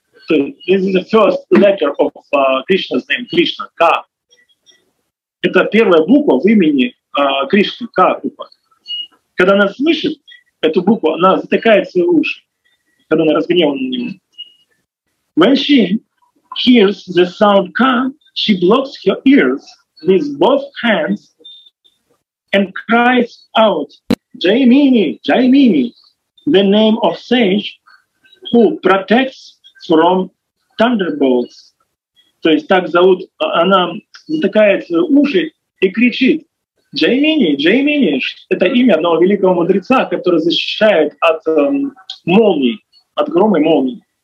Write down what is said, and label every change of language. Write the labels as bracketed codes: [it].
[en] So this is the first letter of Krishna's name, Krishna, car. [ru] Это первая буква в имени Кришны, Ка-рупа. Когда она слышит эту букву, она затыкает свои уши, когда она разгневана на него. [en] When she hears the sound Ka, she blocks her ears with both hands and cries out, Jaimini, Jaimini, the name of sage who protects from thunderbolts. [ru] То есть так зовут, она затыкает свои уши и кричит, Джеймини, Джеймини — это имя одного великого мудреца, который защищает от молний, от грома и молний.